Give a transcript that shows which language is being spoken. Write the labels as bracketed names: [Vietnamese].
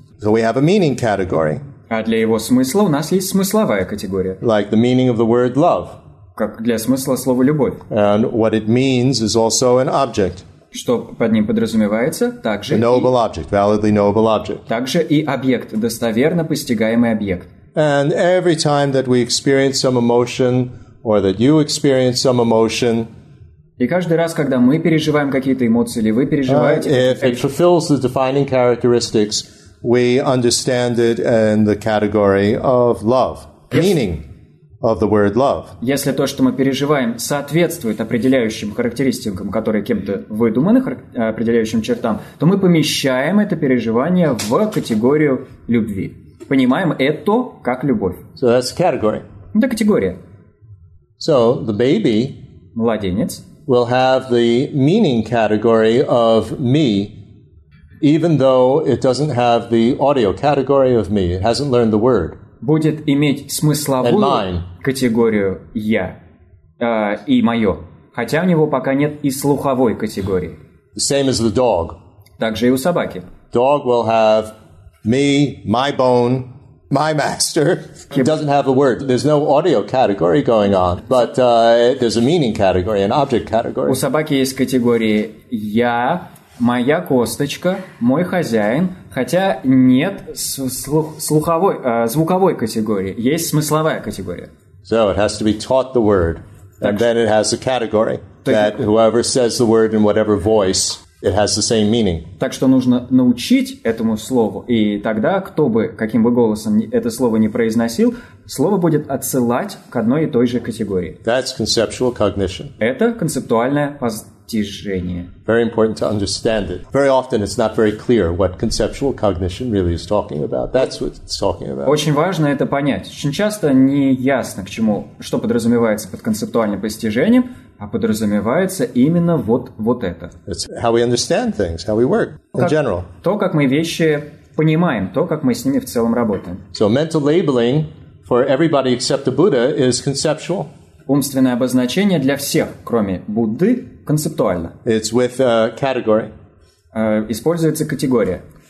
[English] So we have a meaning category. [Russian] А для его смысла у нас есть смысловая категория. [English] Like the meaning of the word love. [Russian] Как для смысла слова «любовь». [English] And what it means is also an object. [Russian] Что под ним подразумевается, также [English] noble object, validly noble object. [Russian] Также и объект, достоверно постигаемый объект. [English] And every time that we experience some emotion, or that you experience some emotion, [Russian] и каждый раз, когда мы переживаем какие-то эмоции, или вы переживаете, [English] if it fulfills the defining characteristics we understand it in the category of love, meaning of the word love. [Russian] Если то, что мы переживаем, соответствует определяющим характеристикам, которые кем-то выдуманы, определяющим чертам, то мы помещаем это переживание в категорию любви. Понимаем это как любовь. [English] So that's a category. [Russian] Это категория. [English] So the baby, [Russian] младенец, [English] will have the meaning category of me, even though it doesn't have the audio category of me. It hasn't learned the word. [Russian] Будет иметь смысловую категорию «я» и «моё», хотя у него пока нет и слуховой категории. [English] Same as the dog. [Russian] Также и у собаки. [English] Dog will have me, my bone, my master. It doesn't have a word. There's no audio category going on, but there's a meaning category, an object category. [Russian] У собаки есть категории «я», «моя косточка», «мой хозяин», хотя нет слуховой, звуковой категории, есть смысловая категория. [English] So it has to be taught the word, and then it has a category that whoever says the word in whatever voice, it has the same meaning. [Russian] Так что нужно научить этому слову, и тогда, кто бы, каким бы голосом это слово ни произносил, слово будет отсылать к одной и той же категории. [English] That's conceptual cognition. [Russian] Это концептуальное постижение. [English] Very important to understand it. Very often it's not very clear what conceptual cognition really is talking about. That's what it's talking about. [Russian] Очень важно это понять. Очень часто не ясно, к чему, что подразумевается под концептуальным постижением, а подразумевается именно вот это. [English] It's how we understand things, how we work in general. [Russian] То, как мы вещи понимаем, то, как мы с ними в целом работаем. [English] So mental labeling for everybody except the Buddha is conceptual. [Russian] Умственное обозначение для всех, кроме Будды, концептуально. [English] It's with a category. [Russian] Используется категория.